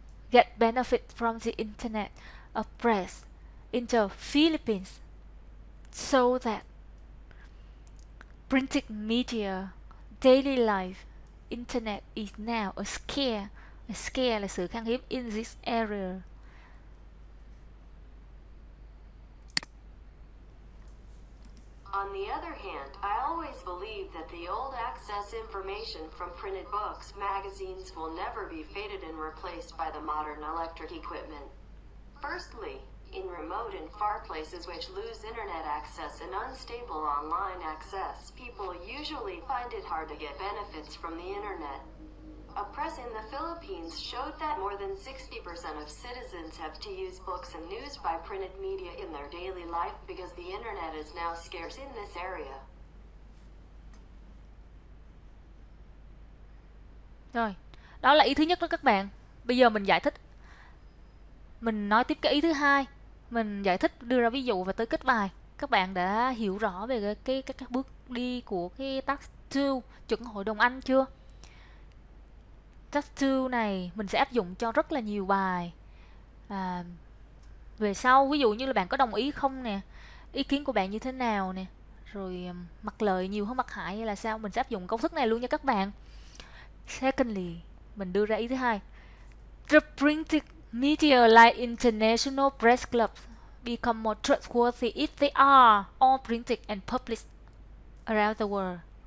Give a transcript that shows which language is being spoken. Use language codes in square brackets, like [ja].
[en] Get benefit from the internet of press in the Philippines so that printed media, daily life, internet is now a scarce. A scarce [vi] là sự khan hiếm [en] in this area. On the other hand, I always believe that the old access information from printed books, magazines will never be faded and replaced by the modern electric equipment. Firstly, in remote and far places which lose internet access and unstable online access, people usually find it hard to get benefits from the internet. A press in the Philippines showed that more than 60% of citizens have to use books and news by printed media in their daily life because the internet is now scarce in this area. [vi] Rồi, đó là ý thứ nhất đó các bạn. Bây giờ mình giải thích. Mình nói tiếp cái ý thứ hai. Mình giải thích, đưa ra ví dụ và tới kết bài. Các bạn đã hiểu rõ về các bước đi của cái task 2, chuẩn hội đồng Anh chưa? Task 2 này mình sẽ áp dụng cho rất là nhiều bài à, về sau. Ví dụ như là bạn có đồng ý không nè, ý kiến của bạn như thế nào nè, rồi mặt lợi nhiều hơn mặt hại hay là sao. Mình sẽ áp dụng công thức này luôn nha các bạn. [en] Secondly, [vi] mình đưa ra ý thứ hai: [en] The printed media like international press clubs become more trustworthy if they are all printed and published around the world.